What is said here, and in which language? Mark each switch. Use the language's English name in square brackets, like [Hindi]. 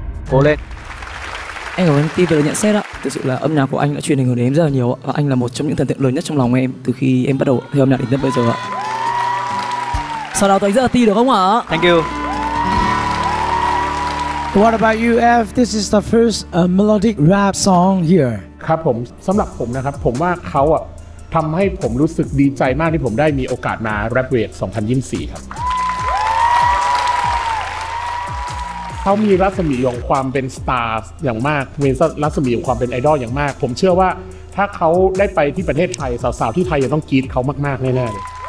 [Vietnamese] Cố lên. Em cảm ơn Ti về nhận xét ạ. Thực sự là âm nhạc của anh đã truyền ảnh hưởng đến em rất là nhiều ạ. Và anh là một trong những thần tượng lớn nhất trong lòng em từ khi em bắt đầu theo âm nhạc đến tận bây giờ ạ. Sau đó tôi anh rất là Ti được không ạ? [English] Thank you. What about you, F? This is the first melodic rap song here. [Thai] ครับผมสำหรับผมนะครับผมว่าเขาอ่ะทำให้ผมรู้สึกดีใจมากที่ผมได้มีโอกาสมา Rap Week 2024ครับเขามีรัศมีของความเป็นสตาร์อย่างมากมีรัศมีของความเป็นไอดอลอย่างมากผมเชื่อว่าถ้าเขาได้ไปที่ประเทศไทยสาวๆที่ไทยจะต้องกรี๊ดเขามากๆแน่ๆเลย